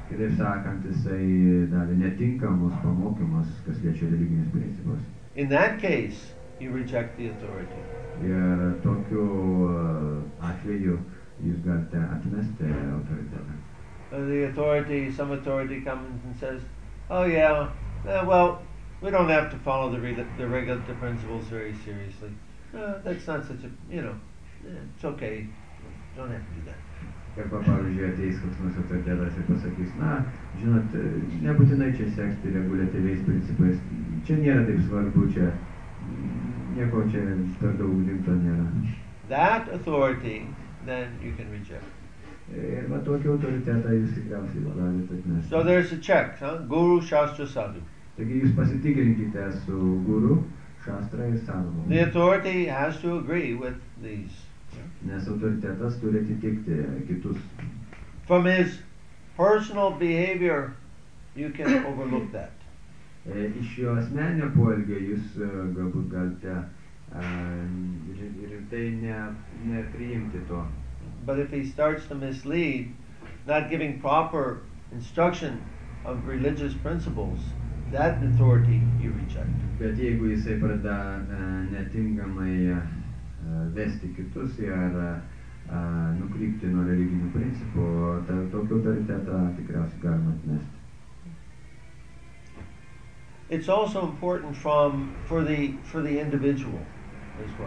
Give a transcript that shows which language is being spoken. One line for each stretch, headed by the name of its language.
Lithuanian: Kitaip sakant, jisai davė netinkamus pamokymus, kas liečia religinius principus.
English: In that case, you reject the authority.
Lithuanian: Ir tokiu atveju jūs galite atmesti autoritetą.
English: Some authority comes and says, oh yeah, well, we don't have to follow the regulative principles very seriously. That's not such a, it's okay. Don't have to do that.
Lithuanian: Kaip pavyzdžiui, ateis koks nors autoritetas ir pasakys, na, žinot, nebūtinai čia sekti reguliatyviais principais. Čia nėra taip svarbu, čia nieko čia per daug rimto nėra.
English: That authority, then you can reject.
Lithuanian: Ir va tokį autoritetą jūs tikriausiai galite atnešti.
English: So there's a check, Guru, Shastra, Sadhu.
Lithuanian: Taigi jūs pasitikrinkite su Guru, Shastra ir Sadhu.
English: The authority has to agree with these.
Lithuanian: Nes autoritetas turi atitikti kitus.
English: From his personal behavior, you can overlook that.
Lithuanian: Iš jo asmeninio poelgio jūs galbūt galite ir tai nepriimti to.
English: But if he starts to mislead, not giving proper instruction of religious principles, that authority you reject.
Lithuanian: Bet jeigu jisai pradeda netinkamai vesti kitus ir nukrypti nuo religinių principų, tokio autoritetą tikriausiai galima atmesti.
English: It's also important for the individual as well.